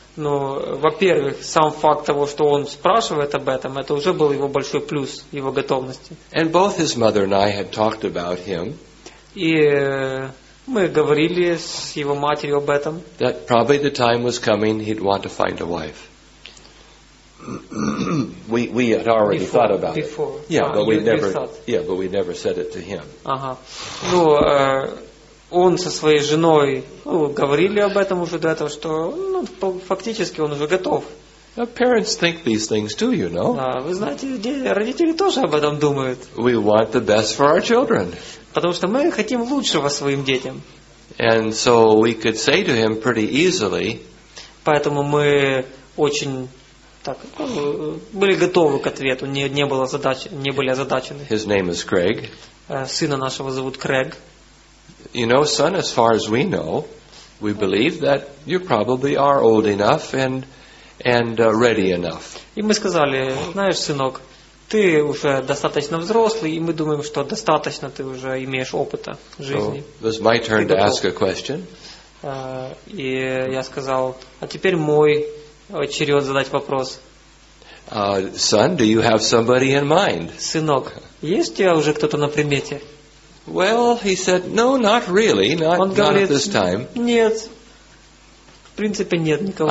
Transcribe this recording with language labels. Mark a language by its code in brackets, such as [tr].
[ru] Ну, во-первых, сам факт того, что он спрашивает об этом, это уже был его большой плюс, его готовности. [en] And both his mother and I had talked about him. [ru] И мы говорили с его матерью об этом. [en] That probably the time was coming he'd want to find a wife. We had already before, thought about before. It. Yeah, but we never said it to him. [ru] Ага. Ну, он со своей женой говорили об этом уже до этого, что ну фактически он уже готов. [en] Now, parents think these things too, you know. [ru] Да, вы знаете, родители тоже об этом думают. [en] We want the best for our children. [ru] Потому что мы хотим лучшего своим детям. [en] And so we could say to him pretty easily. [ru] Поэтому мы очень так, были готовы к ответу, не было задач, не были озадачены. [en] His name is Craig. [ru] Сына нашего зовут Крэг. [en] You know, son, as far as we know, we believe that you probably are old enough and ready enough. [ru] И мы сказали, знаешь, сынок, ты уже достаточно взрослый, и мы думаем, что достаточно ты уже имеешь опыта жизни. [en] So, it was my turn to ask a question. [ru] И я сказал, а теперь мой черед задать вопрос. [en] Son, do you have somebody in mind? [ru] Сынок, есть у тебя уже кто-то на примете? [en] Well, he said, no, not really, not at this time. [ru] Нет, в принципе нет никого.